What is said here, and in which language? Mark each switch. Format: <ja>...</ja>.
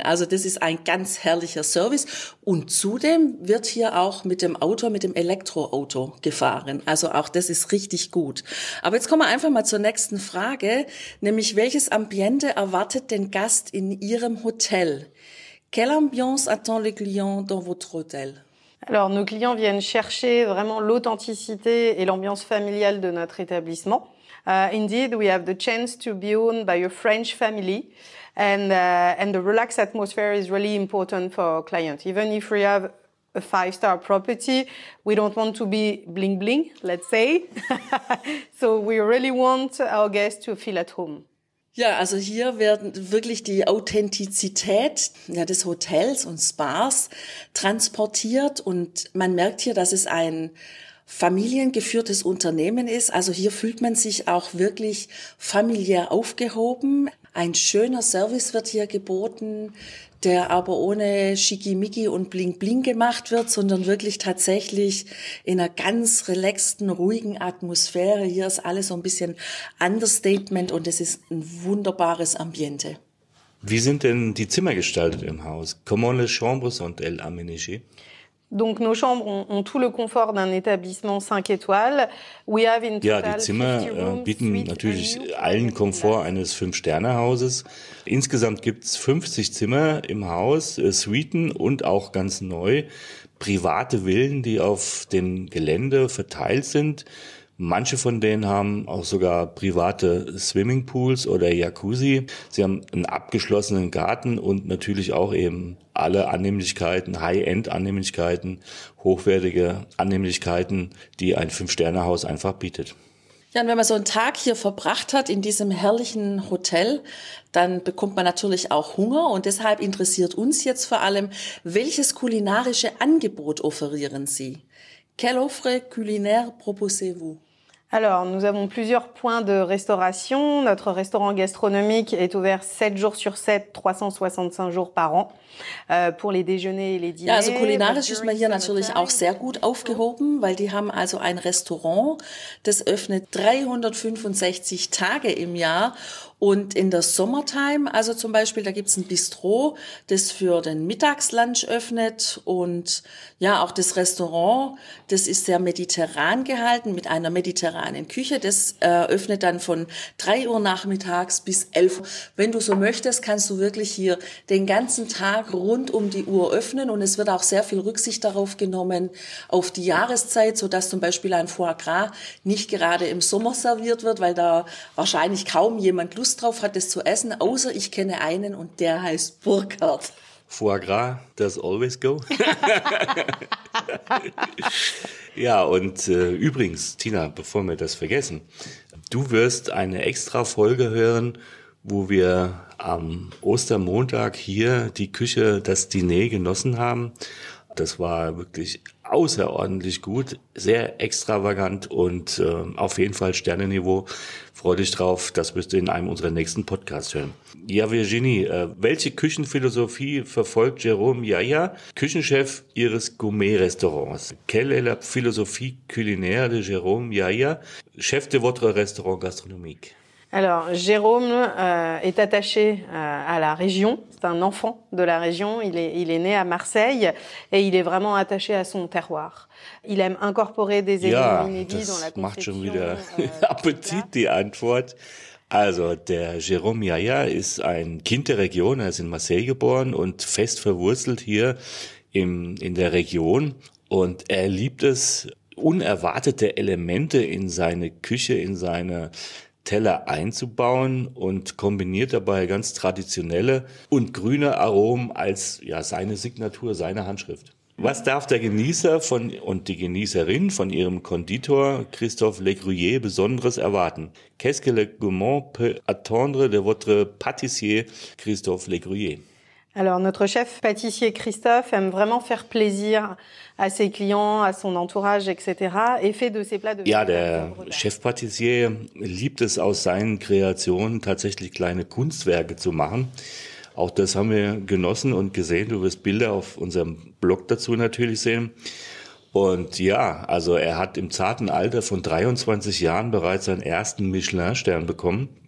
<de>Also das ist ein ganz herrlicher Service. Und zudem wird hier auch mit dem Auto, mit dem Elektroauto gefahren. Also auch das ist richtig gut. Aber jetzt kommen wir einfach mal zur nächsten Frage, nämlich welches Ambiente erwartet den Gast in Ihrem Hotel?</de> <fr>Quelle ambiance attend le client dans votre hôtel? Alors, nos clients viennent chercher vraiment l'authenticité et l'ambiance familiale de notre établissement.</fr> <en>Indeed, we have the chance to be owned by a French family. And the relaxed atmosphere is really important for our clients. Even if we have a five-star property, we don't want to be bling-bling, let's say. So we really want our guests to feel at home.</en> <de>Ja, also hier werden wirklich die Authentizität, ja, des Hotels und Spas transportiert. Und man merkt hier, dass es ein familiengeführtes Unternehmen ist. Also hier fühlt man sich auch wirklich familiär aufgehoben. Ein schöner Service wird hier geboten, der aber ohne Schickimicki und Bling-Bling gemacht wird, sondern wirklich tatsächlich in einer ganz relaxten, ruhigen Atmosphäre. Hier ist alles so ein bisschen Understatement und es ist ein wunderbares Ambiente. Wie sind denn die Zimmer gestaltet im Haus?</de> <fr>Comment les chambres sont-elles aménagées? Donc nos chambres ont tout le confort d'un établissement 5 étoiles.</fr> <en>We have in total,</en> <de>ja, die Zimmer bieten natürlich allen Komfort eines 5-Sterne-Hauses. Insgesamt gibt es 50 Zimmer im Haus, Suiten und auch ganz neu private Villen, die auf dem Gelände verteilt sind. Manche von denen haben auch sogar private Swimmingpools oder Jacuzzi. Sie haben einen abgeschlossenen Garten und natürlich auch eben alle Annehmlichkeiten, High-End-Annehmlichkeiten, hochwertige Annehmlichkeiten, die ein Fünf-Sterne-Haus einfach bietet. Ja, und wenn man so einen Tag hier verbracht hat in diesem herrlichen Hotel, dann bekommt man natürlich auch Hunger. Und deshalb interessiert uns jetzt vor allem, welches kulinarische Angebot offerieren Sie?</de> <fr>Quelle offre culinaire proposez-vous? Alors, nous avons plusieurs points de restauration. Notre restaurant gastronomique est ouvert 7 jours sur 7, 365 jours par an, pour les déjeuners et les dîners.</fr> <de>Ja, also kulinarisch ist man hier natürlich auch sehr gut aufgehoben, weil die haben also ein Restaurant, das öffnet 365 Tage im Jahr. Und in der Sommertime, also zum Beispiel, da gibt's ein Bistro, das für den Mittagslunch öffnet. Und ja, auch das Restaurant, das ist sehr mediterran gehalten, mit einer mediterranen Küche. Das öffnet dann von 3 Uhr nachmittags bis 11 Uhr. Wenn du so möchtest, kannst du wirklich hier den ganzen Tag rund um die Uhr öffnen. Und es wird auch sehr viel Rücksicht darauf genommen, auf die Jahreszeit, sodass zum Beispiel ein Foie Gras nicht gerade im Sommer serviert wird, weil da wahrscheinlich kaum jemand Lust drauf hat, es zu essen, außer ich kenne einen und der heißt Burkhard.</de> <en>Foie gras does always go.</en> <de>Ja, und übrigens, Tina, bevor wir das vergessen, du wirst eine extra Folge hören, wo wir am Ostermontag hier die Küche, das Diner genossen haben. Das war wirklich außerordentlich gut, sehr extravagant und auf jeden Fall Sternenniveau. Freu dich drauf, das wirst du in einem unserer nächsten Podcasts hören. Ja, Virginie, welche Küchenphilosophie verfolgt Jérôme Yaya, Küchenchef ihres Gourmet-Restaurants?</de> <fr>Quelle est la philosophie culinaire de Jérôme Yaya, Chef de votre restaurant gastronomique? Alors, Jérôme est attaché à la région. C'est un enfant de la région. Il est né à Marseille et il est vraiment attaché à son terroir. Il aime incorporer des éléments inédits dans la conception.</fr> <de>Ja, das macht schon wieder Appetit, die Antwort. Also, der Jérôme Yaya ist ein Kind der Region. Er ist in Marseille geboren und fest verwurzelt hier in der Region. Und er liebt es, unerwartete Elemente in seine Küche, in seine Teller einzubauen und kombiniert dabei ganz traditionelle und grüne Aromen als ja seine Signatur, seine Handschrift. Was darf der Genießer von und die Genießerin von ihrem Konditor Christophe Legruyer Besonderes erwarten?</de> <fr>Qu'est-ce que le gourmand peut attendre de votre pâtissier Christophe Legruyer? Alors, notre chef pâtissier Christophe aime vraiment faire plaisir à ses clients, à son entourage, etc. et fait de ses plats de...</fr> <de>Ja, der Chef-Pâtissier liebt es, aus seinen Kreationen tatsächlich kleine Kunstwerke zu machen. Auch das haben wir genossen und gesehen. Du wirst Bilder auf unserem Blog dazu natürlich sehen. Und ja, also er hat im zarten Alter von 23 Jahren bereits seinen ersten Michelin-Stern bekommen.</de>